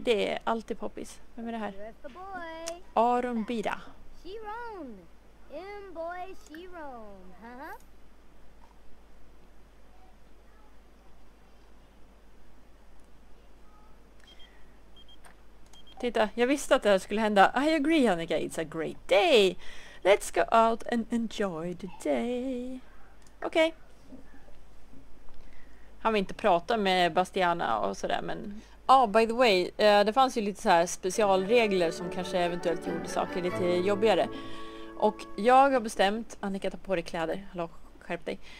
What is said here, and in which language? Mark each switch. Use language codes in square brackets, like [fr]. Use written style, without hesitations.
[sv] Det är alltid poppis. Vem är det här? Aron Bida. Chiron. M-boy Chiron. Titta, jag visste att det här skulle hända. [en] I agree, Annika. It's a great day. Let's go out and enjoy the day. [sv] Okej. Okay. Han vill inte prata med Bastiana och sådär, men... [en] Ah, by the way, [sv] det fanns ju lite så här specialregler som kanske eventuellt gjorde saker lite jobbigare. Och jag har bestämt... Annika, ta på dig kläder. Hallå, skärp dig.